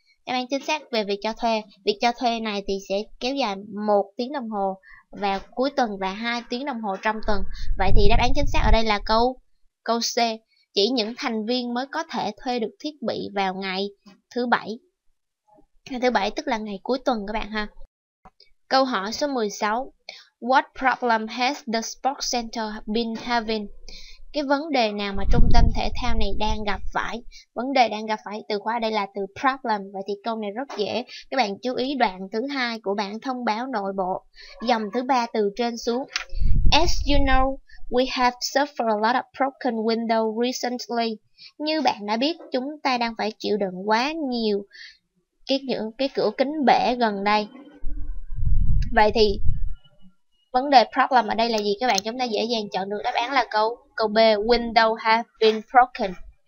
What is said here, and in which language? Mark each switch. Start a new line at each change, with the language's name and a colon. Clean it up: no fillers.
Vietnamese: Đáp án chính xác về việc cho thuê. Việc cho thuê này thì sẽ kéo dài 1 tiếng đồng hồ vào cuối tuần và 2 tiếng đồng hồ trong tuần. Vậy thì đáp án chính xác ở đây là câu C. Chỉ những thành viên mới có thể thuê được thiết bị vào ngày thứ bảy. Ngày thứ bảy tức là ngày cuối tuần các bạn ha. Câu hỏi số 16.
English: What problem has the sports center been having?
Vietnamese: Cái vấn đề nào mà trung tâm thể thao này đang gặp phải? Vấn đề đang gặp phải, từ khóa ở đây là từ problem. Vậy thì câu này rất dễ. Các bạn chú ý đoạn thứ hai của bảng thông báo nội bộ. Dòng thứ ba từ trên xuống.
English: As you know, we have suffered a lot of broken windows recently.
Vietnamese: Như bạn đã biết, chúng ta đang phải chịu đựng quá nhiều cái cửa kính bể gần đây. Vậy thì vấn đề problem ở đây là gì? Các bạn chúng ta dễ dàng chọn được đáp án là câu B.
English: Window have been broken.